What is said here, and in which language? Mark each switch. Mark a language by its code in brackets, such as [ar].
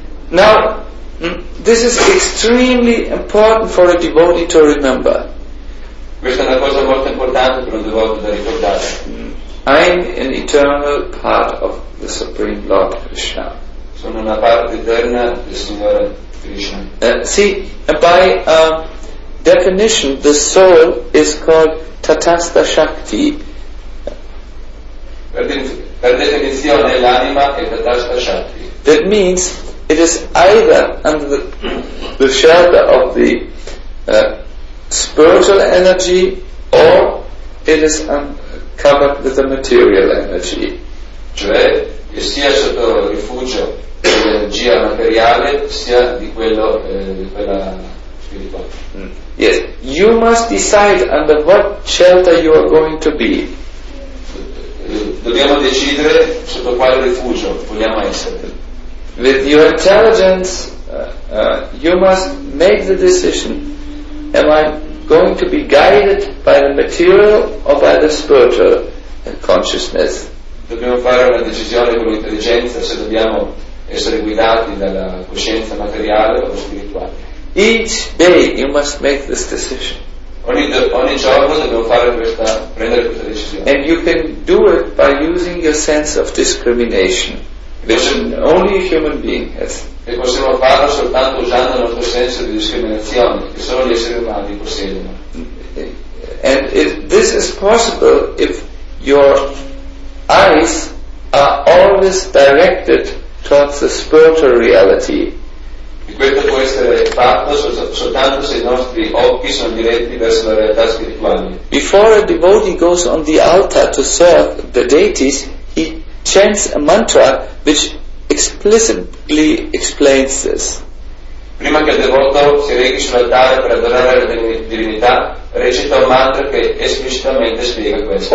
[en] Now, this is extremely important for a devotee to remember. [it] Questa è una cosa molto importante per un devoto da ricordare. [en] I'm an eternal part of the Supreme Lord Krishna. [it] Sono una parte eterna del Signore Krishna. [en] Definition, the soul is called Tatastha Shakti. [it] Per definizione l'anima è Tatastha Shakti. [en] That means it is either under the shelter of the spiritual energy or it is covered with the material energy. [it] Cioè, è sia sotto rifugio dell'energia materiale sia di quello di quella spirituale. [en] Yes, you must decide under what shelter you are going to be. [it] Dobbiamo decidere sotto quale rifugio vogliamo essere. [en] With your intelligence, you must make the decision: am I going to be guided by the material or by the spiritual consciousness? [it] Dobbiamo fare una decisione con l'intelligenza se dobbiamo essere guidati dalla coscienza materiale o spirituale. [en] Each day you must make this decision. [it] Ogni giorno dobbiamo fare questa, prendere questa decisione. [en] And you can do it by using your sense of discrimination. Only a human being has. [it] E possiamo farlo soltanto usando il nostro senso di discriminazione che solo gli esseri umani possiedono. [en] And this is possible if your eyes are always directed towards the spiritual reality. [it] E questo può essere fatto soltanto se i nostri occhi sono diretti verso la realtà spirituale. [en] Before a devotee goes on the altar to serve the deities, he chants a mantra which explicitly explains this. [it] Prima che il devoto si rechi sull'altare per adorare la divinità, recita un mantra che esplicitamente spiega questo.